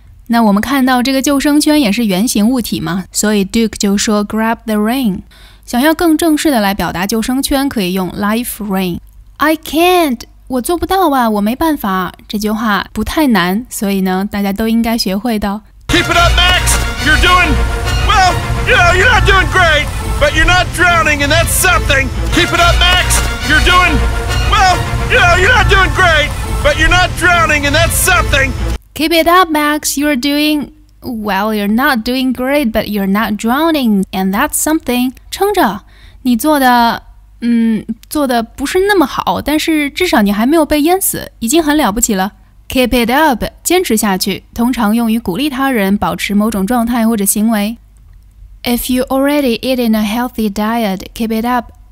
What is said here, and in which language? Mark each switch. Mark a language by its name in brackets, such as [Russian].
[Chinese] 那我们看到这个救生圈也是圆形物体嘛，所以 Duke 就说 [English] grab the ring。 [Chinese] 想要更正式的来表达救生圈可以用 life ring。 [English] I can't， [Chinese] 我做不到啊，我没办法，这句话不太难，所以呢大家都应该学会的。 [English] Keep it up Max， you're doing well， yeah, you're not doing great， but you're not drowning and that's something。 Keep it up Max， you're doing well， yeah, you're not doing great， but you're not drowning and that's something Keep it up, Max. You're doing well. You're not doing great, but you're not drowning, and that's something. [Chinese] 撑着，你做的，做的不是那么好，但是至少你还没有被淹死，已经很了不起了。 Keep it up, 坚持下去，通常用于鼓励他人保持某种状态或者行为。 [English] If you already eat in a healthy diet, keep it up.